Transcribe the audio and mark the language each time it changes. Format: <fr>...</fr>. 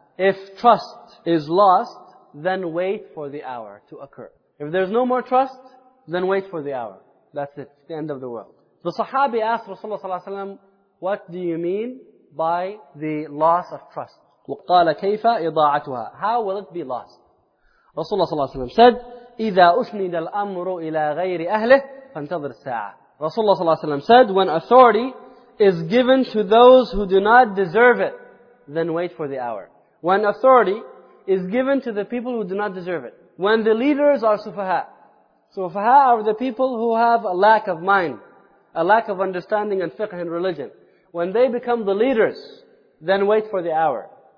<en>If trust is lost, then wait for the hour to occur. If there's no more trust, then wait for the hour. That's it. It's the end of the world. The Sahabi asked Rasulullah sallallahu alayhi wa sallam, what do you mean by the loss of trust?</en> <ar>وَقَالَ كَيْفَ إِضَاعَتُهَا.</ar> <en>How will it be lost? Rasulullah sallallahu alayhi wa sallam said,</en> <ar>إِذَا أُسْنِدَ الْأَمْرُ إِلَىٰ غَيْرِ أَهْلِهِ فَانْتَظِرِ السَّاعَةِ.</ar> <en>Rasulullah sallallahu alayhi wa sallam said, when authority is given to those who do not deserve it, then wait for the hour. When authority is given to the people who do not deserve it, when the leaders are sufaha, sufaha are the people who have a lack of mind, a lack of understanding and fiqh and religion, when they become the leaders, then wait for the hour.</en>